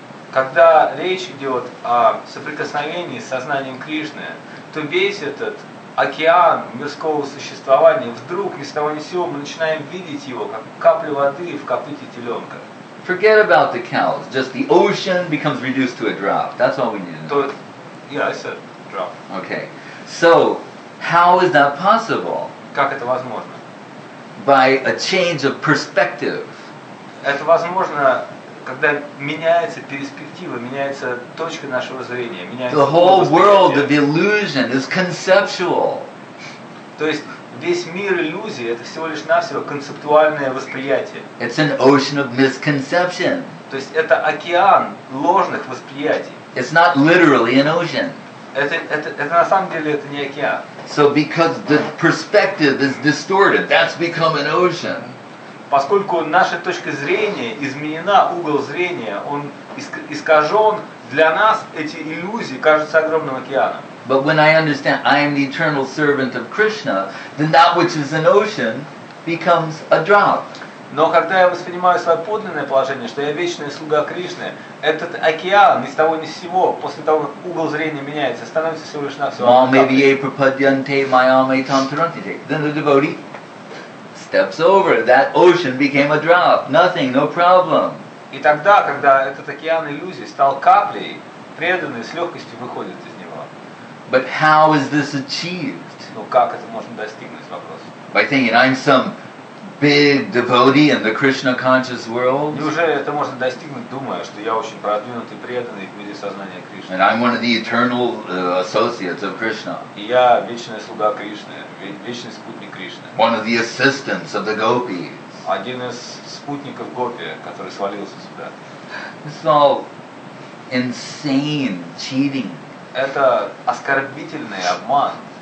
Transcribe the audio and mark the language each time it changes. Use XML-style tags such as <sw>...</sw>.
<ru>Когда речь идет о соприкосновении с сознанием Кришны, то весь этот океан мирского существования вдруг, ни с того ни с сего, мы начинаем видеть его, как каплю воды в копыте теленка.</ru> <en>Forget about the cows. Just the ocean becomes reduced to a drop. That's all we need.</en> <ru>То,</ru> <en>yeah, I said drop. Okay. So, how is that possible?</en> <ru>Как это возможно?</ru> <en>By a change of perspective.</en> <ru>Это возможно, когда меняется перспектива, меняется точка нашего зрения, меняется.</ru> <en>The whole world of illusion is conceptual.</en> <ru>То есть весь мир иллюзий — это всего лишь навсего концептуальное восприятие.</ru> <en>It's an ocean of misconception.</en> <ru>То есть это океан ложных восприятий.</ru> <en>It's not literally an ocean.</en> <ru>Это на самом деле это не океан.</ru> <en>So because the perspective is distorted, that's become an ocean.</en> <ru>Поскольку наша точка зрения изменена, угол зрения, он искажен, для нас эти иллюзии кажутся огромным океаном.</ru> <en>But when I understand I am the eternal servant of Krishna, then that which is an ocean becomes a drop.</en> <ru>Но когда я воспринимаю свое подлинное положение, что я вечный слуга Кришны, этот океан ни с того ни с сего, после того, как угол зрения меняется, становится всего лишь навсего.</ru> <en>Then the devotee steps over. That ocean became a drop. Nothing, no problem.</en> <ru>И тогда, когда этот океан иллюзий стал каплей, преданный с легкостью выходит из него.</ru> <en>But how is this achieved?</en> <ru>Ну как это можно достигнуть, вопрос.</ru> <en>By thinking I'm some big devotee in the Krishna conscious world.</en> <ru>Неужели это можно достигнуть, думая, что я очень продвинутый преданный в мире сознания Кришны?</ru> <en>And I'm one of the eternal associates of Krishna.</en> <ru>И я вечный слуга Кришны, вечный спутник Кришны.</ru> <en>One of the assistants of the gopis.</en> <ru>Один из спутников гопи, который свалился сюда.</ru> <en>It's all insane cheating.</en> <ru>Это оскорбительный обман.</ru>